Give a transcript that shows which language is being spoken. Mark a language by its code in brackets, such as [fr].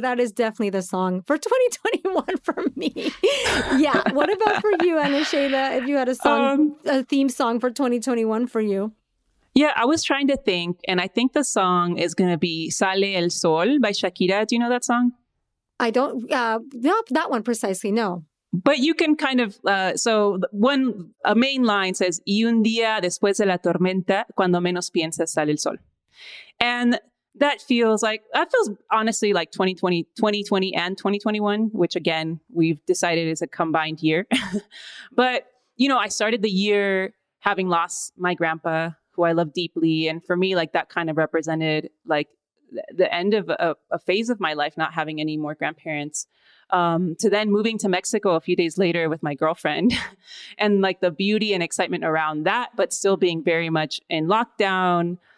[en] That is definitely the song for 2021 for me. Yeah. What about for you, Anisheda, if you had a song, a theme song for 2021 for you? Yeah, I was trying to think, and I think the song is going to be Sale el Sol by Shakira. Do you know that song? I don't. Not that one precisely, no. But you can kind of, a main line says, [es] Y un día después de la tormenta, cuando menos piensas, sale el sol. [en] And that feels honestly like 2020 and 2021, which again, we've decided is a combined year. But, you know, I started the year having lost my grandpa, who I love deeply. And for me, like that kind of represented like the end of a phase of my life, not having any more grandparents, to then moving to Mexico a few days later with my girlfriend and like the beauty and excitement around that, but still being very much in lockdown.